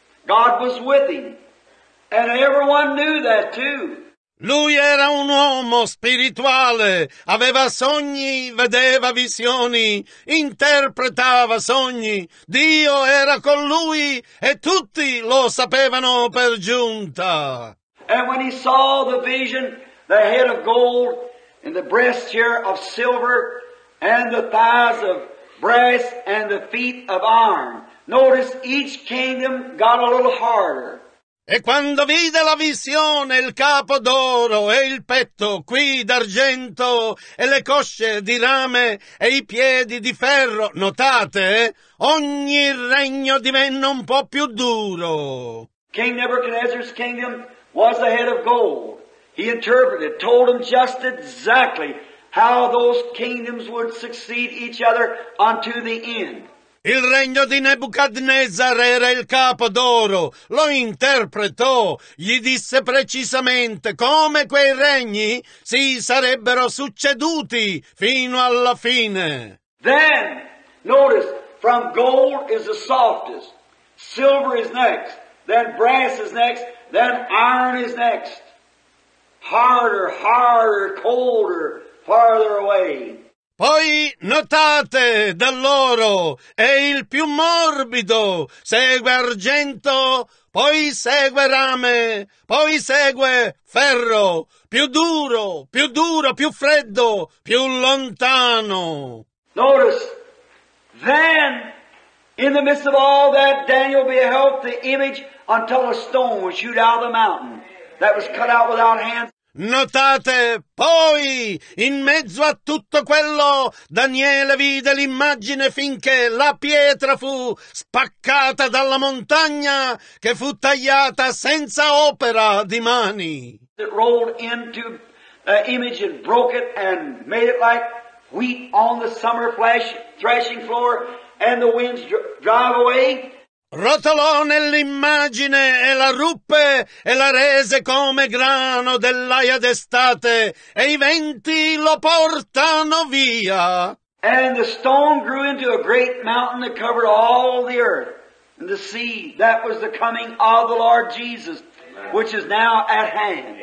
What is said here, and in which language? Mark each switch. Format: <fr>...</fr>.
<en>God was with him. And everyone knew that too.</en> <it>Lui era un uomo spirituale, aveva sogni, vedeva visioni, interpretava sogni. Dio era con lui e tutti lo sapevano per giunta.</it> <en>And when he saw the vision, the head of gold and the breast here of silver and the thighs of brass and the feet of iron. Notice each kingdom got a little harder.</en> <it>E quando vide la visione, il capo d'oro e il petto qui d'argento e le cosce di rame e i piedi di ferro, notate, ogni regno divenne un po' più duro.</it> <en>King Nebuchadnezzar's kingdom was the head of gold. He interpreted, told him just exactly how those kingdoms would succeed each other unto the end.</en> <it>Il regno di Nebuchadnezzar era il capo d'oro, lo interpretò, gli disse precisamente come quei regni si sarebbero succeduti fino alla fine.</it> <en>Then, notice, from gold is the softest, silver is next, then brass is next, then iron is next. Harder, harder, colder, farther away.</en> <it>Poi notate, dall'oro è il più morbido, segue argento, poi segue rame, poi segue ferro, più duro, più freddo, più lontano.</it> <en>Notice, then, in the midst of all that, Daniel beheld the image until a stone was shoot out of the mountain that was cut out without hands.</en> <it>Notate, poi, in mezzo a tutto quello, Daniele vide l'immagine finché la pietra fu spaccata dalla montagna che fu tagliata senza opera di mani.</it> <en>It rolled into the image and broke it and made it like wheat on the summer threshing floor and the winds drive away.</en> <it>Rotolò nell'immagine e la ruppe e la rese come grano dell'aia d'estate e i venti lo portano via.</it> <en>And the stone grew into a great mountain that covered all the earth and the sea. That was the coming of the Lord Jesus, which is now at hand.</en>